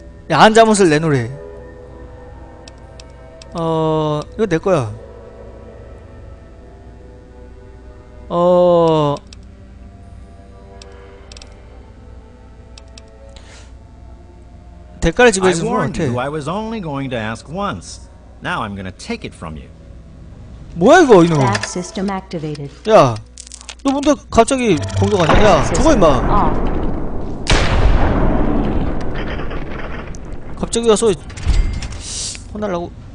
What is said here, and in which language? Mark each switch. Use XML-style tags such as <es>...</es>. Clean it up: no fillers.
<ko>야한 잠옷을 내놓으래. 어, 이거 내 거야. 어, 대가를 지불해 준 것 같아.</ko> <en>I was only going to ask once. Now I'm going to take it from you.</en> <ko>뭐야 이거 이놈.</ko> <en>Back system activated.</en> <ko>야. 너 뭔데 갑자기 공격하냐? 야, 죽어 임마! 갑자기 와서 혼날라고.</ko>